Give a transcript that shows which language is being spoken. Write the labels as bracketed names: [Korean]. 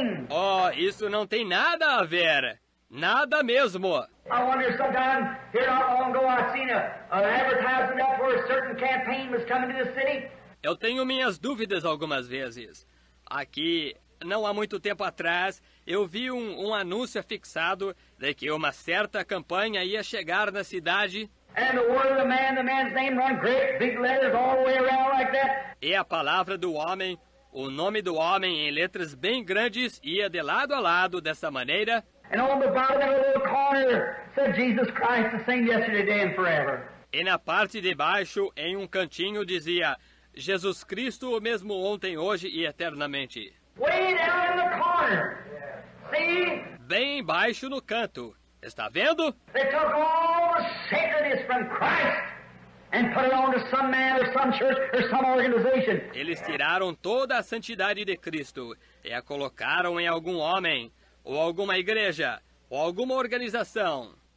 [Portuguese] Oh, isso não tem nada a ver. Nada mesmo. [English] I wonder sometime, here not long ago, I seen an advertisement up for a certain campaign was coming to the city. [Portuguese] Eu tenho minhas dúvidas algumas vezes. Aqui, não há muito tempo atrás, eu vi um anúncio afixado de que uma certa campanha ia chegar na cidade. [English] And the word of the man's name run great big letters all the way around like that. [Portuguese] E a palavra do homem, o nome do homem em letras bem grandes ia de lado a lado dessa maneira. [English] And on the bottom of the little corner said Jesus Christ the same yesterday, day and forever. [Portuguese] E na parte de baixo, em um cantinho, dizia Jesus Cristo o mesmo ontem, hoje e eternamente. [English] Way down in the corner. See? [Portuguese] Bem embaixo no canto. Está vendo? [English] They took all the sacredness from Christ and put it onto some man or some church or some organization. [Portuguese] Eles tiraram toda a santidade de Cristo e a colocaram em algum homem ou alguma igreja ou alguma organização.